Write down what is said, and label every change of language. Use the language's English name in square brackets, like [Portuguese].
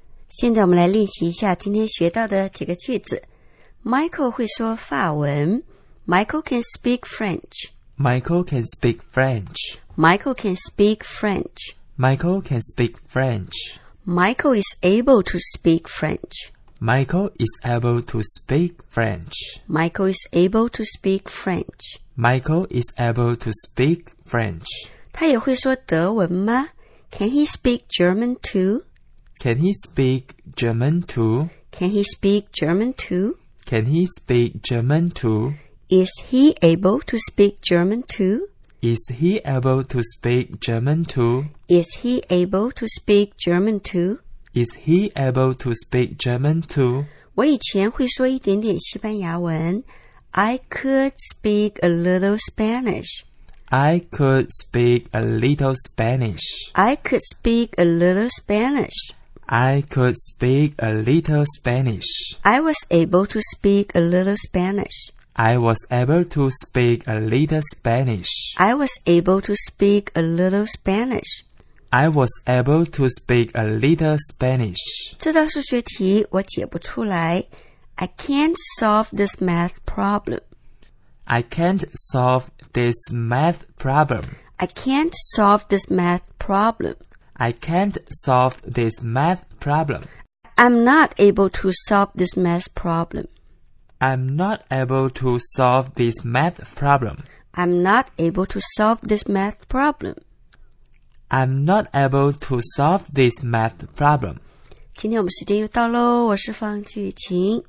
[Chinese] 现在我们来练习一下今天学到的几个句子。Michael 会说法文。 [English] Michael can speak French. Michael can speak French. Michael can speak French. Michael can speak French. Michael is able to speak French. Michael is able to speak French. Michael is able to speak French. Michael is able to speak French. [Chinese] 他也会说德文吗？ [English] Can he speak German too? Can he speak German too? Can he speak German too? Can he speak German too? Is he able to speak German too? Is he able to speak German too? Is he able to speak German too? Is he able to speak German too? [Chinese] 我以前会说一点点西班牙文。 [English] I could speak a little Spanish. I could speak a little Spanish. I could speak a little Spanish. I could speak a little Spanish. I was able to speak a little Spanish. I was able to speak a little Spanish. I was able to speak a little Spanish. I was able to speak a little Spanish. [Chinese] 这道数学题我解不出来。 [English] I can't solve this math problem. I can't solve this math problem. I can't solve this math problem. I can't solve this math problem. I'm not able to solve this math problem. I'm not able to solve this math problem. I'm not able to solve this math problem. I'm not able to solve this math problem. [Chinese] 今天我们时间又到咯，我是方巨晴，